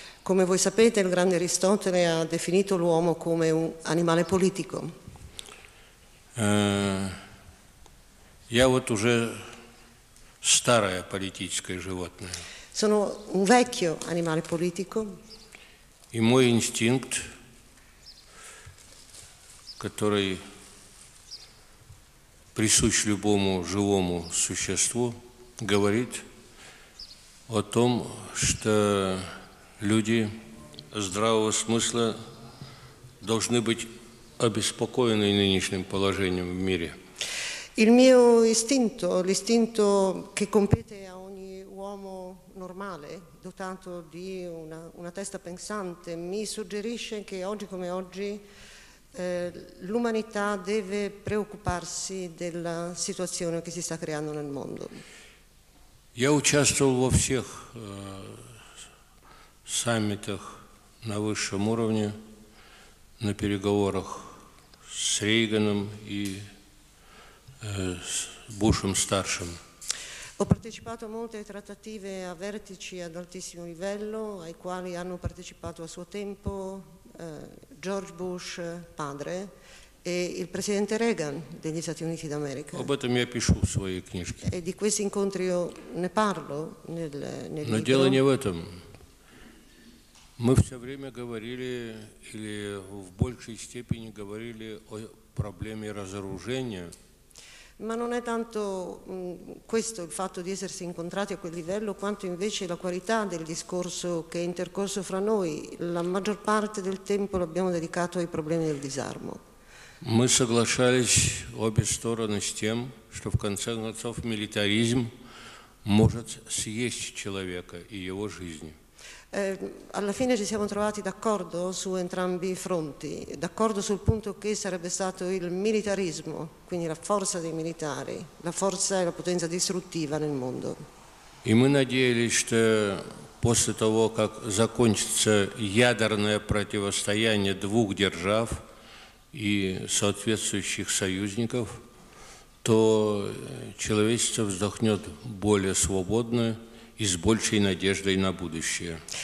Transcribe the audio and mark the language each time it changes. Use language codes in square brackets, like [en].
[it] Come voi sapete, il grande Aristotele ha definito l'uomo come un animale politico. [ru] Я вот уже старое политическое животное. [it] Sono un vecchio animale politico. [ru] И мой инстинкт, который присущ любому живому существу, говорит о том, что люди здравого смысла должны быть обеспокоены нынешним положением в мире. [it] Il mio istinto, l'istinto che compete a ogni uomo normale, dotato di una testa pensante, mi suggerisce che oggi come oggi l'umanità deve preoccuparsi della situazione che si sta creando nel mondo. [ru] Я участвовал во всех саммитах на высшем уровне, на переговорах с Рейганом и с Бушем старшим. [it] Ho partecipato a molte trattative a vertici ad altissimo livello, ai quali hanno partecipato a suo tempo George Bush padre e il presidente Reagan degli Stati Uniti d'America. [ru] Об этом я пишу в своей книжке. [it] E di questi incontri io ne parlo nel [ru] libro. Но дело не в этом. Мы все время говорили, или в большей степени говорили о проблеме разоружения. [it] Ma non è tanto questo il fatto di essersi incontrati a quel livello, quanto invece la qualità del discorso che è intercorso fra noi. La maggior parte del tempo l'abbiamo dedicato ai problemi del disarmo. [ru] Мы соглашались обе стороны с тем, что в конце концов милитаризм может съесть человека и его жизнь. [it] Alla fine ci siamo trovati d'accordo su entrambi i fronti, d'accordo sul punto che sarebbe stato il militarismo, quindi la forza dei militari, la forza e la potenza distruttiva nel mondo. [ru] E мы надеялись, что после того, как закончится ядерное противостояние двух держав и соответствующих союзников, то человечество вздохнет более свободно и с большей надеждой на будущее.